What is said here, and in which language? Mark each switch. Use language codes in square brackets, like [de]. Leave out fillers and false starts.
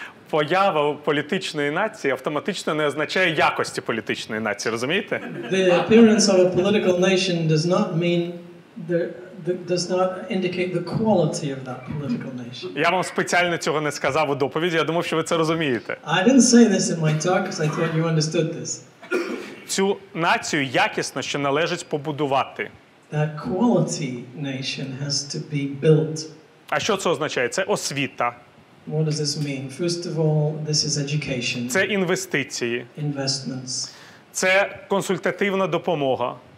[uk] Поява політичної нації автоматично не означає якості політичної нації, розумієте? [en] The appearance of a political nation does not mean does not indicate the quality of that political nation. [uk] Я вам спеціально цього не сказав у доповіді, я думав, що ви це розумієте. [en] I didn't say this in my talk because I thought you understood this. [uk] Цю націю якісно ще належить побудувати. [en] That quality nation has to be built. [uk] А що це означає? Це освіта. [en] What does this mean? First of all, this is education. [uk] Це інвестиції. [en] Investments. [uk] Це консультативна допомога.